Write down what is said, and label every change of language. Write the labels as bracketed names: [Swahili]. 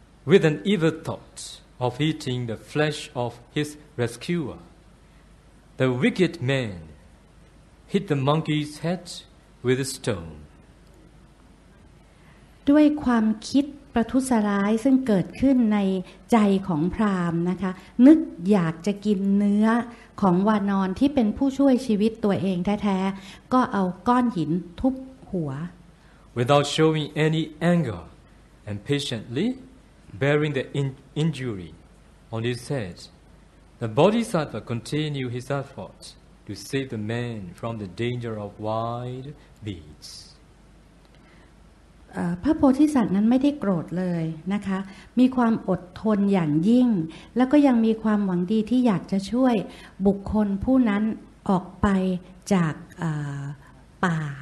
[English] With an evil thought of eating the flesh of his rescuer the wicked man hit the monkey's head with a stone [Thai] ด้วยความคิดประทุษร้ายซึ่งเกิดขึ้นในใจของพราหมณ์นะคะนึกอยากจะกินเนื้อของวานรที่เป็นผู้ช่วยชีวิตตัวเองแท้ๆก็เอาก้อนหินทุบหัว [English] Without showing any anger and patiently bearing the injury on his head the bodhisattva continued his effort to save the man from the danger of wild beasts [Thai] พระโพธิสัตว์นั้นไม่ได้โกรธเลยนะคะมีความอดทนอย่างยิ่งแล้วก็ยังมีความหวังดีที่อยากจะช่วยบุคคลผู้นั้นออกไปจากป่า